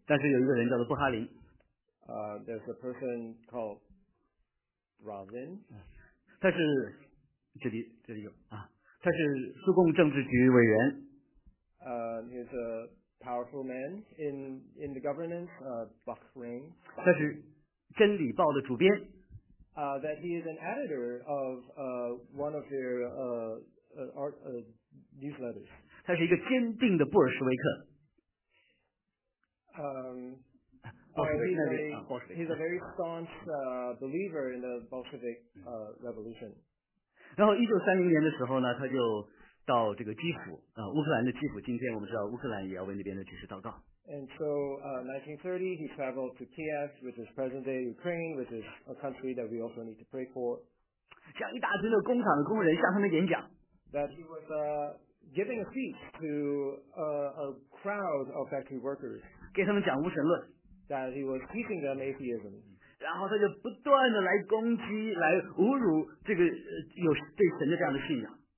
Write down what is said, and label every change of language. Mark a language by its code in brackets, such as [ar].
[zh] 但是有一个人叫做布哈林。 [en] There's a person called Bravin. [zh] 他是这里有啊，他是苏共政治局委员。 [en] He's a powerful man in the governance, Bakhrain. [zh] 他是真理报的主编。 [en] That he is an editor of one of their newsletters. [zh] 他是一个坚定的布尔什维克。 [en] He's a very staunch believer in the Bolshevik revolution. [zh] 然后1930年的时候呢，他就到这个基辅，乌克兰的基辅，今天我们知道乌克兰也要为那边的局势祷告。 [en] And so, 1930, he traveled to Kiev, which is present-day Ukraine, which is a country that we also need to pray for. [zh] 像一大堆的工厂的工人向他们演讲。 [en] That he was giving a speech to a crowd of factory workers. [zh] 给他们讲无神论。 [en] That he was teaching them atheism. [zh] 然后他就不断的来攻击，来侮辱这个有对神的这样的信仰。